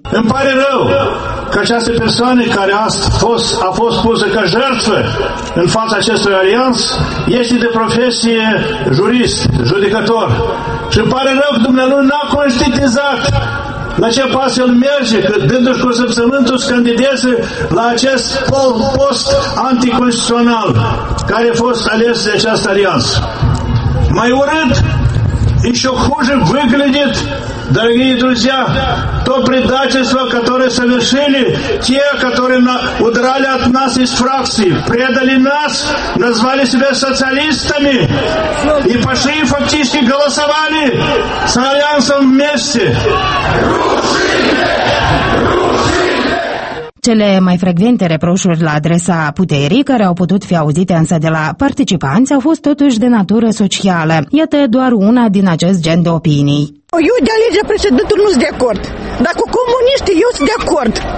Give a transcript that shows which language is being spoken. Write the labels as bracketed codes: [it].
[ro] Îmi pare rău că această persoană care a fost pusă ca jertfă în fața acestui alianț este de profesie jurist, judecător. Și îmi pare rău că dumneavoastră n-a conștientizat la ce pas el merge, că dându-și consimțământul să candideze la acest post anticonstituțional care a fost ales de această alianță. Mai urât, [ru] и еще хуже выглядит, дорогие друзья, то предательство, которое совершили те, которые удрали от нас из фракции, предали нас, назвали себя социалистами и пошли и фактически голосовали с альянсом вместе. [ro] Cele mai frecvente reproșuri la adresa puterii, care au putut fi auzite însă de la participanți, au fost totuși de natură socială. Iată doar una din acest gen de opinii. Eu de alegerea președintelui nu sunt de acord, dar cu comuniștii eu sunt de acord.